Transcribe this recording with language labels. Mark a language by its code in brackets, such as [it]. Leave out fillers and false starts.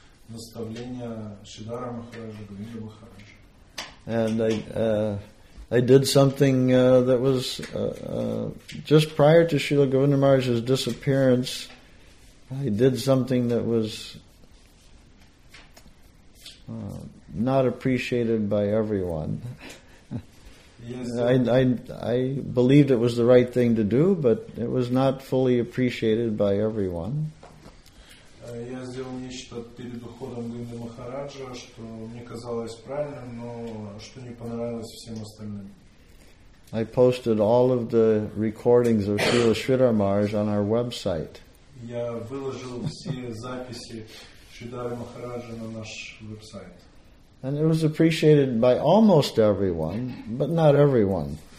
[ru] наставления Шридхара Махараджа, Говинда Махараджа. [en] And I did something that was just prior to Srila Govinda Maharaj's disappearance. I did something that was not appreciated by everyone. I believed it was the right thing to do, but it was not fully appreciated by everyone. [ru] Я сделал нечто перед уходом Говинды Махараджа, что мне казалось правильным, но что не понравилось всем остальным. [en] I posted all of the recordings of Srila Sridhar Maharaj on our website. [ru] Я выложил все записи Шридхара Махараджа на наш веб-сайт. [en] And it was appreciated by almost everyone, but not everyone.